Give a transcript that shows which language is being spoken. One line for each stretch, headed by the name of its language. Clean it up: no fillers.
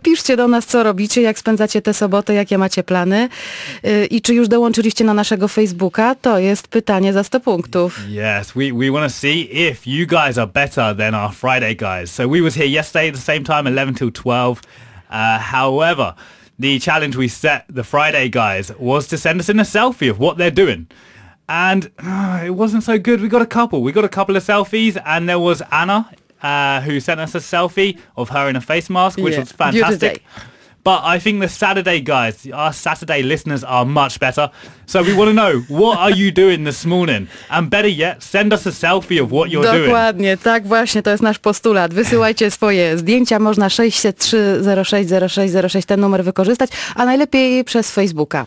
Polish: Piszcie do nas, co robicie, jak spędzacie tę sobotę, jakie macie plany i czy już dołączyliście na naszego Facebooka? To jest pytanie za 100 punktów.
English: Yes, we want to see if you guys are better than our Friday guys. So we was here yesterday at the same time, 11 till 12. However, the challenge we set the Friday guys was to send us in a selfie of what they're doing. And it wasn't so good. We got a couple of selfies and there was Anna who sent us a selfie of her in a face mask, which was fantastic. But I think the Saturday guys, our Saturday listeners are much better. So we want to know, what are you doing this morning? And better yet, send us a selfie of what you're
Polish: dokładnie,
English: doing.
Polish: Dokładnie, tak właśnie, to jest nasz postulat. Wysyłajcie swoje zdjęcia, można 603-06-06-06, ten numer wykorzystać, a najlepiej przez Facebooka.